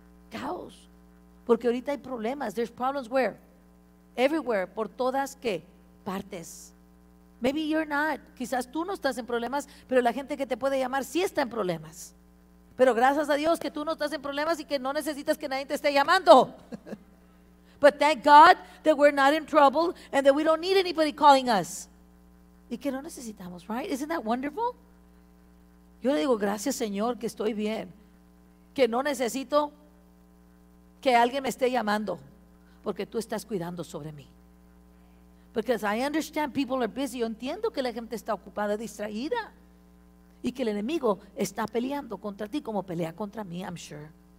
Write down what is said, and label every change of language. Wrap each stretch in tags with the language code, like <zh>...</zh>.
<es>Caos. Porque ahorita hay problemas.</es> <en>There's problems where. Everywhere,</en> <es>por todas qué partes.</es> <en>Maybe you're not.</en> <es>Quizás tú no estás en problemas, pero la gente que te puede llamar sí está en problemas. Pero gracias a Dios que tú no estás en problemas y que no necesitas que nadie te esté llamando.</es> <en>But thank God that we're not in trouble and that we don't need anybody calling us.</en> <es>Y que no necesitamos,</es> <en>right? Isn't that wonderful?</en> <es>Yo le digo, gracias Señor que estoy bien. Que no necesito que alguien me esté llamando. Porque tú estás cuidando sobre mí.</es> <en>Because I understand people are busy.</en> <es>Yo entiendo que la gente está ocupada, distraída. Y que el enemigo está peleando contra ti como pelea contra mí,</es> <en>I'm sure.</en>